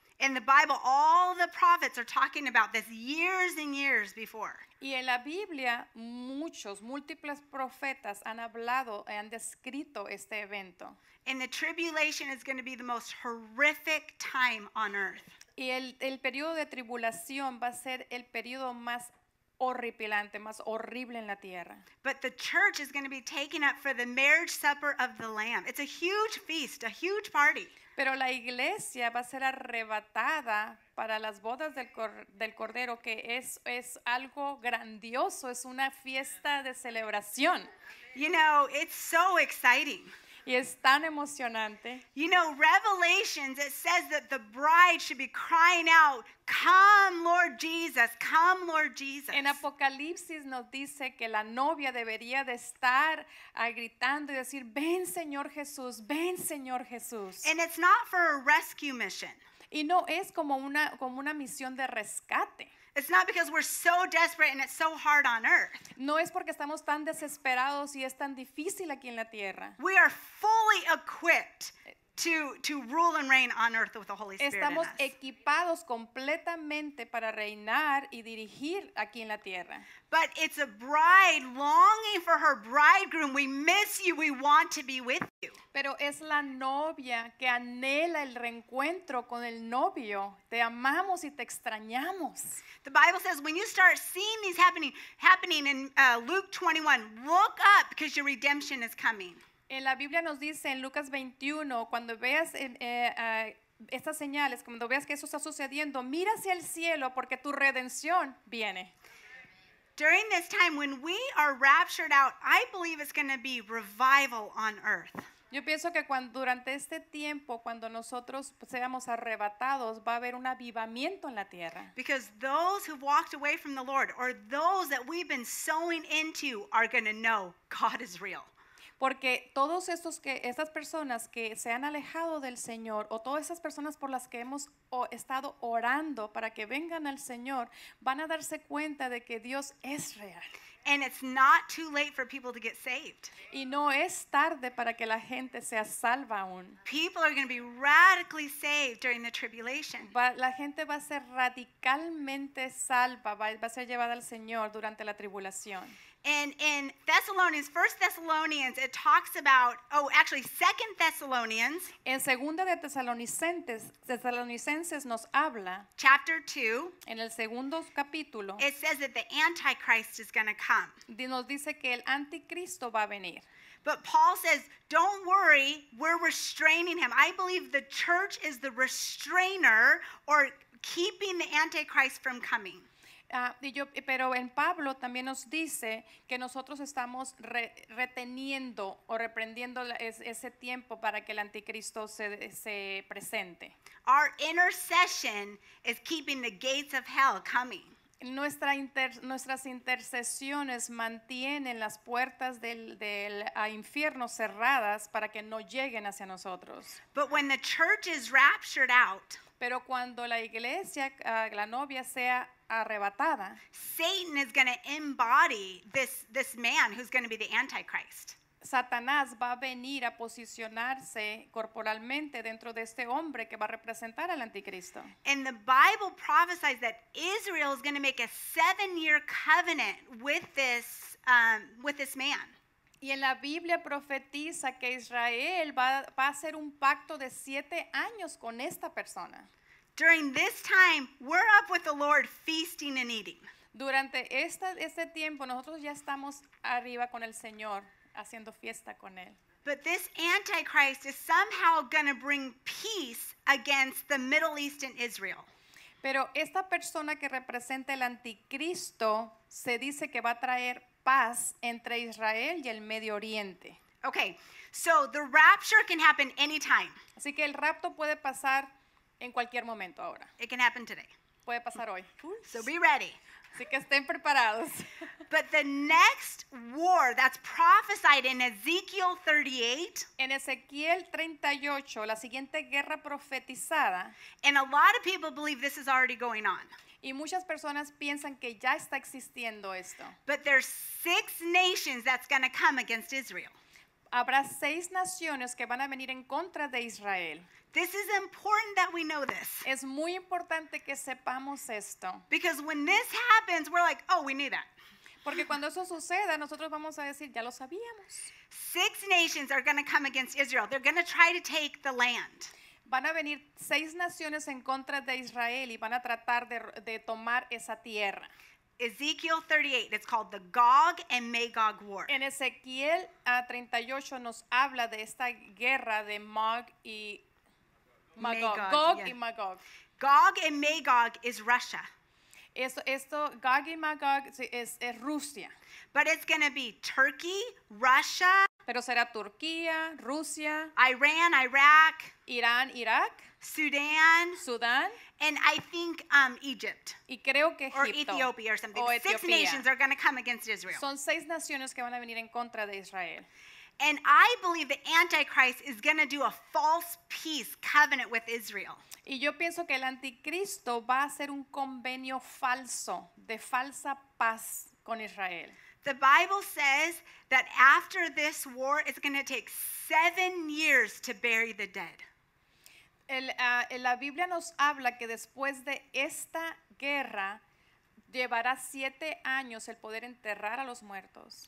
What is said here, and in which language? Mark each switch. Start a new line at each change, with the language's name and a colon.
English: In the Bible, all the prophets are talking about this years and years before.
Spanish: Y en la Biblia, muchos, múltiples profetas han hablado y han descrito este evento.
English: And the tribulation is going to be the most horrific time on earth.
Spanish: Y el periodo de tribulación va a ser el periodo más horripilante, más horrible en la tierra.
English: But the church is going to be taken up for the marriage supper of the Lamb. It's a huge feast, a huge party.
Spanish: Pero la iglesia va a ser arrebatada para las bodas del Cordero, que es algo grandioso, es una fiesta de celebración.
English: You know, it's so exciting.
Spanish: Y es tan emocionante.
English: You know, Revelations, it says that the bride should be crying out, come, Lord Jesus, come, Lord Jesus.
Spanish: En Apocalipsis nos dice que la novia debería de estar gritando y decir, ven, Señor Jesús, ven, Señor Jesús.
English: And it's not for a rescue mission.
Spanish: Y no es como una misión de rescate.
English: It's not because we're so desperate and it's so hard on earth.
Spanish: No es porque estamos tan desesperados y es tan difícil aquí en la tierra.
English: We are fully equipped to rule and reign on earth with the Holy Spirit.
Spanish: Estamos equipados completamente para reinar y dirigir aquí en la tierra.
English: But it's a bride longing for her bridegroom. We miss you. We want to be with you.
Spanish: Pero es la novia que anhela el reencuentro con el novio. Te amamos y te extrañamos.
English: The Bible says when you start seeing these happening in Luke 21, look up because your redemption is coming.
Spanish: En la Biblia nos dice en Lucas 21, cuando veas estas señales, cuando veas que eso está sucediendo, mira hacia el cielo porque tu redención viene.
English: During this time when we are raptured out, I believe it's going to be revival on earth.
Spanish: Yo pienso que cuando durante este tiempo, cuando nosotros seamos arrebatados, va a haber un avivamiento en la tierra.
English: Because those who've walked away from the Lord or those that we've been sowing into are going to know God is real.
Spanish: Porque todos estas personas que se han alejado del Señor o todas esas personas por las que hemos estado orando para que vengan al Señor van a darse cuenta de que Dios es real.
English: And it's not too late for people to get saved.
Spanish: Y no es tarde para que la gente sea salva aún.
English: People are going to be radically saved during the tribulation.
Spanish: La gente va a ser radicalmente salva, va a ser llevada al Señor durante la tribulación.
English: And in Thessalonians, 1 Thessalonians, it talks about, 2 Thessalonians.
Spanish: En segunda de Tesalonicenses nos habla.
English: Chapter 2.
Spanish: En el segundo capítulo.
English: It says that the Antichrist is going to come.
Spanish: Nos dice que el anticristo va a venir.
English: But Paul says, don't worry, we're restraining him. I believe the church is the restrainer or keeping the Antichrist from coming.
Spanish: Pero en Pablo también nos dice que nosotros estamos reteniendo o reprendiendo ese tiempo para que el anticristo se presente.
English: Our intercession is keeping the gates of hell coming.
Spanish: Nuestras intercesiones mantienen las puertas del infierno cerradas para que no lleguen hacia nosotros.
English: But when the church is raptured out,
Spanish: pero cuando la iglesia, la novia sea arrebatada,
English: Satan is going to embody this man who's going to be the Antichrist.
Spanish: Satanás va a venir a posicionarse corporalmente dentro de este hombre que va a representar al anticristo.
English: And the Bible prophesies that Israel is going to make a 7-year covenant with this man.
Spanish: Y en la Biblia profetiza que Israel va a hacer un pacto de 7 años con esta persona.
English: During this time, we're up with the Lord feasting and eating.
Spanish: Durante este tiempo, nosotros ya estamos arriba con el Señor, haciendo fiesta con él.
English: But this Antichrist is somehow going to bring peace against the Middle East and Israel.
Spanish: Pero esta persona que representa el anticristo se dice que va a traer paz entre Israel y el Medio Oriente.
English: Okay, so the rapture can happen anytime.
Spanish: Así que el rapto puede pasar en cualquier momento ahora.
English: It can happen today.
Spanish: puede pasar hoy.
English: So be ready.
Spanish: Así que estén preparados.
English: But the next war that's prophesied in Ezekiel 38.
Spanish: En Ezequiel 38, la siguiente guerra profetizada.
English: And a lot of people believe this is already going on.
Spanish: Y muchas personas piensan que ya está existiendo esto.
English: But there's six nations that's going to come against Israel.
Spanish: Habrá seis naciones que van a venir en contra de Israel.
English: This is important that we know this.
Spanish: Es muy importante que sepamos esto.
English: Because when this happens, we're like, oh, we knew that.
Spanish: Porque cuando eso suceda, nosotros vamos a decir, ya lo sabíamos.
English: Six nations are going to come against Israel. They're going to try to take the land.
Spanish: Van a venir seis naciones en contra de Israel y van a tratar de tomar esa tierra.
English: Ezekiel 38, it's called the Gog and Magog War.
Spanish: En Ezequiel 38 nos habla de esta guerra de Mog y Magog. Gog y Magog.
English: Gog and Magog is Russia.
Spanish: Esto Gog y Magog es Rusia.
English: But it's going to be Turkey, Russia.
Spanish: Pero será Turquía, Rusia.
English: Iran, Iraq.
Spanish: Irán, Irak. Sudán. Sudán.
English: And I think Egypt.
Spanish: Y creo que Egipto.
English: Or Ethiopia or something.
Spanish: O Etiopía.
English: Six nations are going to come against Israel.
Spanish: Son seis naciones que van a venir en contra de Israel.
English: And I believe the Antichrist is going to do a false peace covenant with Israel.
Spanish: Y yo pienso que el anticristo va a hacer un convenio falso, de falsa paz con Israel.
English: The Bible says that after this war, it's going to take 7 years to bury the dead.
Spanish: La Biblia nos habla que después de esta guerra, llevará 7 años el poder enterrar a los muertos.